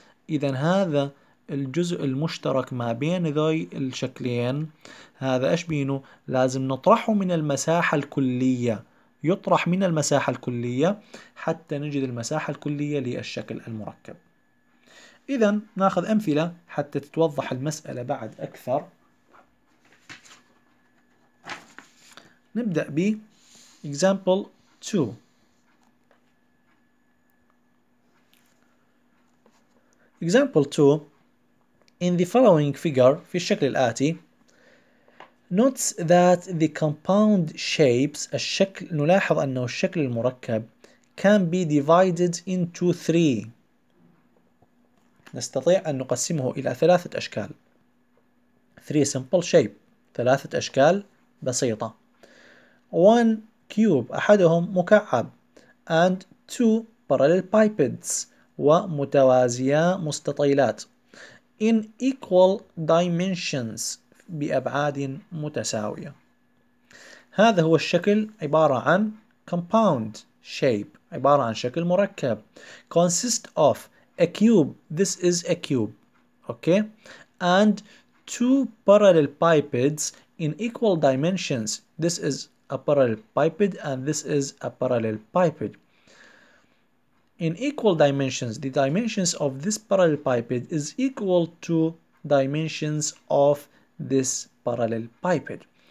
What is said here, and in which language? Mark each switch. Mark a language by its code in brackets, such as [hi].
[ar] اذا هذا الجزء المشترك ما بين ذوي الشكلين، هذا ايش بينه؟ لازم نطرحه من المساحة الكلية، يطرح من المساحة الكلية حتى نجد المساحة الكلية للشكل المركب. إذا ناخذ أمثلة حتى تتوضح المسألة بعد أكثر. نبدأ ب [en] example 2. example 2 in the following figure، [ar] في الشكل الآتي. [en] Notes that the compound shapes، [ar] الشكل نلاحظ أنه الشكل المركب [en] can be divided into three، [ar] نستطيع أن نقسمه إلى ثلاثة أشكال. [en] Three simple shape، [ar] ثلاثة أشكال بسيطة. [en] One cube، [ar] أحدهم مكعب. [en] And two parallel bipeds، [ar] ومتوازية مستطيلات. [en] In equal dimensions، [ar] بأبعاد متساوية. هذا هو الشكل، عبارة عن [en] compound shape، [ar] عبارة عن شكل مركب. [en] Consist of a cube، this is a cube، okay، and two parallel bipeds in equal dimensions، this is a parallel biped and this is a parallel biped. In equal dimensions، the dimensions of this parallel biped is equal to dimensions of this parallel biped.